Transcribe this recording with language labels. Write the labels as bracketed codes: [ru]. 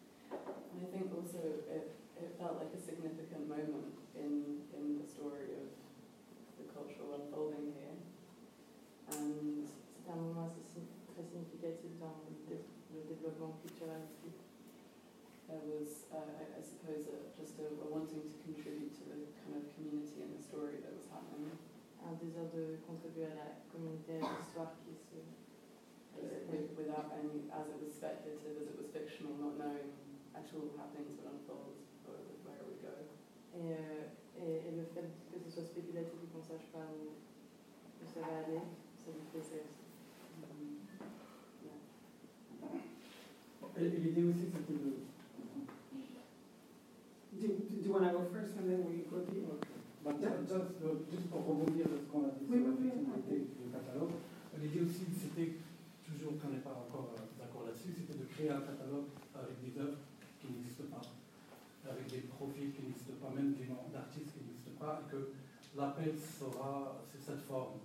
[en] Yeah. I think also it felt like a significant moment in the story of the cultural unfolding here. [fr] And c'est un moment très significatif dans le développement culturel. [en] There was, I suppose, just a wanting to contribute to the kind of community and the story that was happening. [fr] Un désir de contribuer à la communauté, à l'histoire qui se... [en] Without any, as it was speculative, as it was fictional, not knowing at all how things would unfold, where we go. [fr] Et le fait que ce soit spéculatif et qu'on ne sache pas où ça va aller, ça nous fait ça aussi. Mm-hmm. Yeah. L'idée aussi, c'était de... [en] Do you want to go first and then we go deep? Okay. [fr] Juste pour rebondir sur ce qu'on a dit sur l'effectivité du catalogue, l'idée aussi, c'était, toujours qu'on n'est pas encore d'accord là-dessus, c'était de créer un catalogue avec des œuvres qui n'existent pas, avec des profils qui n'existent pas, même des noms d'artistes qui n'existent pas, et que l'appel sera sur cette forme.